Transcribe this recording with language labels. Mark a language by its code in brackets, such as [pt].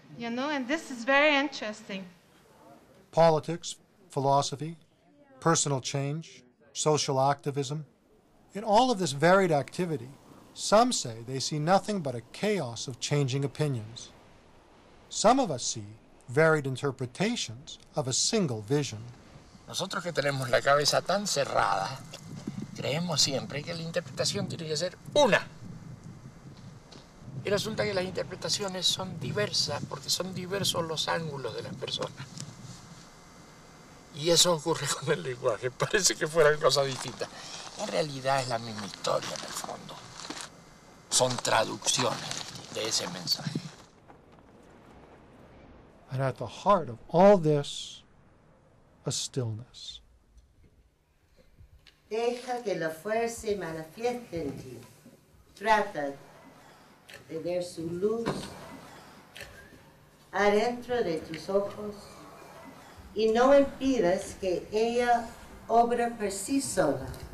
[en] You know, and this is very interesting. Politics, philosophy, personal change, social activism. In all of this varied activity, some say they see nothing but a chaos of changing opinions. Some of us see varied interpretations of a single vision. [es] Nosotros que tenemos la cabeza tan cerrada, creemos siempre que la interpretación tiene que ser una. Y resulta que las interpretaciones son diversas porque son diversos los ángulos de las personas. Y eso ocurre con el lenguaje, parece que fueran cosas distintas. En realidad es la misma historia en el fondo. Son traducciones de ese mensaje. [en] And at the heart of all this, a stillness. [es] Deja que la fuerza se manifieste en ti. Trata de ver su luz adentro de tus ojos y no impidas que ella obra por sí sola.